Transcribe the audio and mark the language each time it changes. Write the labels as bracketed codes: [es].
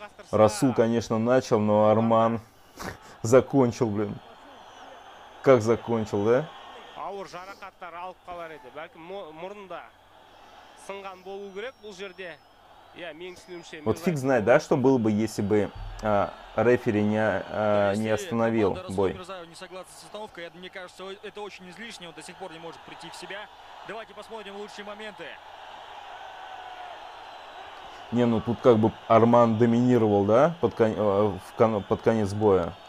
[ru] Расул, конечно, начал, но Арман закончил, блин. как закончил, да? [kk] Ауыр жарақаттар алып қалар еді. Бәлкім мұрында сынған болу керек бұл жерде. [ru] Вот фиг знает, да, что было бы, если бы рефери не остановил бой. Не согласен с остановкой. Мне кажется, это очень излишне. Он до сих пор не может прийти в себя. Давайте посмотрим лучшие моменты. Не, ну тут как бы Арман доминировал, да, под конец боя.